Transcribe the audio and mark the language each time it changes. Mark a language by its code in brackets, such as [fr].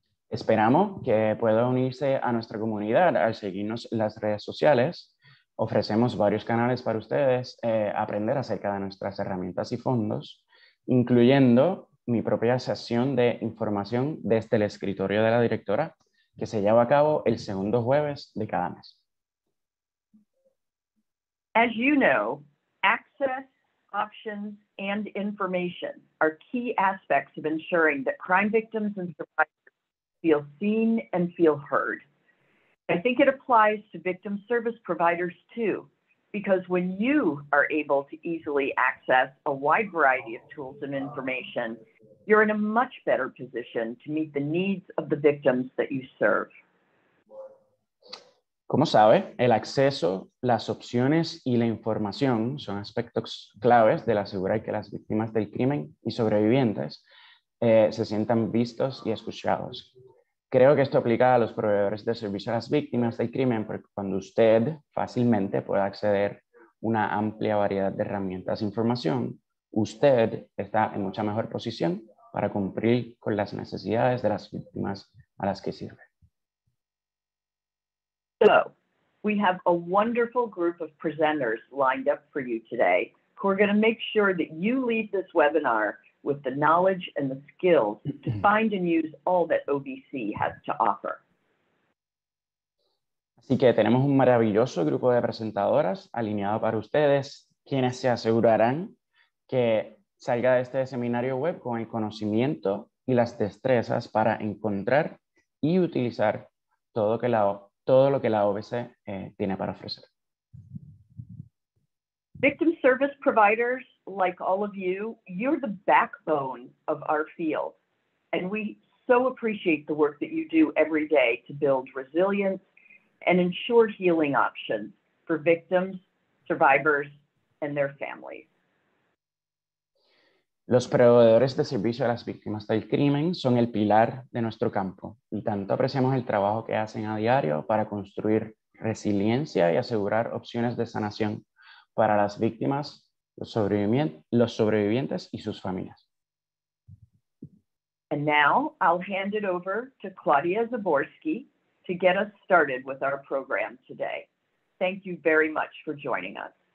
[es] Esperamos que pueda unirse a nuestra comunidad al seguirnos en las redes sociales. Ofrecemos varios canales para ustedes aprender acerca de nuestras herramientas y fondos, incluyendo mi propia sesión de información desde el escritorio de la directora, que se lleva a cabo el segundo jueves de cada mes. [en] As you know, access, options, and information are key aspects of ensuring that crime victims and survivors feel seen and feel heard. I think it applies to victim service providers too, because when you are able to easily access a wide variety of tools and information, you're in a much better position to meet the needs of the victims that you serve. [es] Como sabe, el acceso, las opciones y la información son aspectos claves de asegurar que las víctimas del crimen y sobrevivientes se sientan vistos y escuchados. Creo que esto aplica a los proveedores de servicio a las víctimas del crimen, porque cuando usted fácilmente puede acceder a una amplia variedad de herramientas e información, usted está en mucha mejor posición para cumplir con las necesidades de las víctimas a las que sirve. [en] So, we have a wonderful group of presenters lined up for you today who are going to make sure that you leave this webinar with the knowledge and the skills to find and use all that OVC has to offer. [es] Así que tenemos un maravilloso grupo de presentadoras alineado para ustedes, quienes se asegurarán que salga de este seminario web con el conocimiento y las destrezas para encontrar y utilizar todo lo que la OVC tiene para ofrecer. [en] Victim service providers, like all of you, you're the backbone of our field. And we so appreciate the work that you do every day to build resilience and ensure healing options for victims, survivors, and their families. [es] Los proveedores de servicio a las víctimas del crimen son el pilar de nuestro campo, y tanto apreciamos el trabajo que hacen a diario para construir resiliencia y asegurar opciones de sanación para las víctimas, los sobrevivientes y sus familias. [en] And now I'll hand it over to Claudia Zaborski to get us started with our program today. Thank you very much for joining us.